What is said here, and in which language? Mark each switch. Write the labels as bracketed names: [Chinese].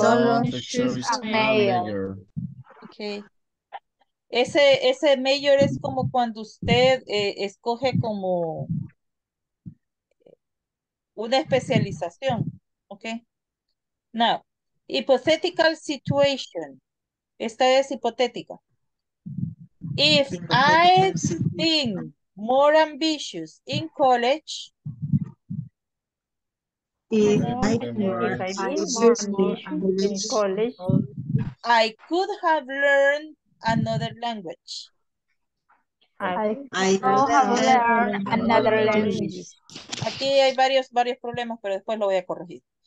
[English] I should have waited so long to choose a major. Okay. [Spanish] Ese major es como cuando usted escoge como una especialización, okay? [English] Now, hypothetical situation. [Spanish] Esta es hipotética. [English] If I'd been more ambitious in college, I could have learned another language. I could have learned another language. [Spanish] Aquí hay varios problemas, pero después lo voy a corregir.